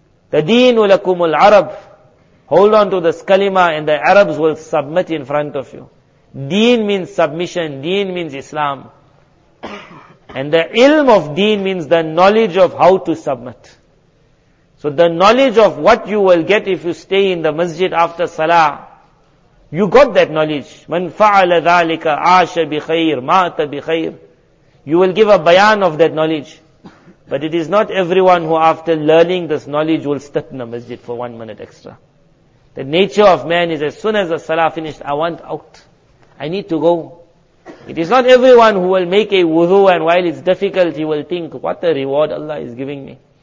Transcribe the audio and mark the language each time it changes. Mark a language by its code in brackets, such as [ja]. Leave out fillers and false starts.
[en] The deen ulakumul Arab. Hold on to this kalima and the Arabs will submit in front of you. Deen means submission. Deen means Islam. And the ilm of deen means the knowledge of how to submit. So the knowledge of what you will get if you stay in the masjid after salah, you got that knowledge. [ar] من فعل ذلك عاش بخير مات بخير. [en] You will give a bayan of that knowledge. But it is not everyone who after learning this knowledge will sit in the masjid for 1 minute extra. The nature of man is as soon as the salah finished, I want out. I need to go. It is not everyone who will make a wudu and while it's difficult, he will think, what a reward Allah is giving me.